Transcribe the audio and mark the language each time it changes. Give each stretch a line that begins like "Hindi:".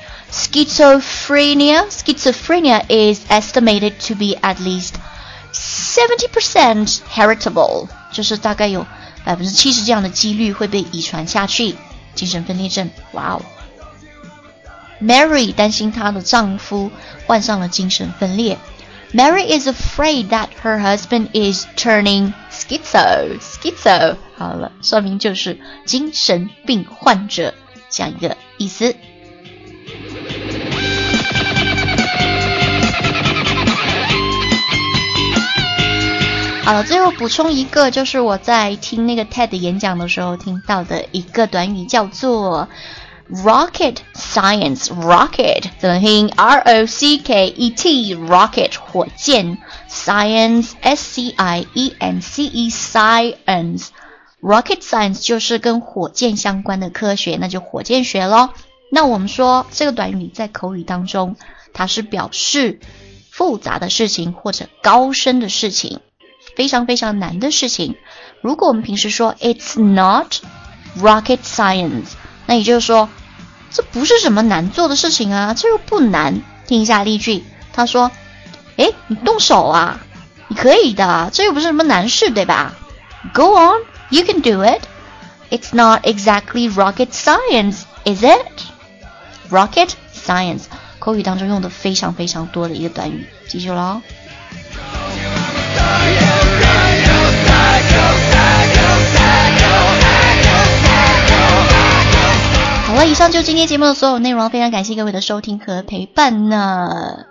English: schizophrenia is estimated to be at least 70% heritable，
Chinese: 就是大概有 70% 这样的几率会被遗传下去，精神分裂症。哇哦。 Mary 担心她的丈夫患上了精神分裂。
English: Mary is afraid that her husband is turning schizo
Chinese: 好了，说明就是精神病患者，这样一个意思。好了，最后补充一个，就是我在听那个 TED 演讲的时候听到的一个短语，叫做 Rocket Science。 Rocket 怎么拼？ R-O-C-K-E-T Rocket 火箭。 Science S-C-I-E-N-C-E Science Rocket Science 就是跟火箭相关的科学，那就火箭学咯。那我们说这个短语在口语当中，它是表示复杂的事情或者高深的事情，非常非常难的事情。如果我们平时说
English: It's not rocket science，
Chinese: 那也就是说这不是什么难做的事情啊，这又不难。听一下例句，他说诶，你动手啊，你可以的，这又不是什么难事，对吧？
English: Go on, you can do it. It's not exactly rocket science, is it?
Chinese: Rocket science 口语当中用的非常非常多的一个短语，记住咯。好了，以上就今天节目的所有内容，非常感谢各位的收听和陪伴呢。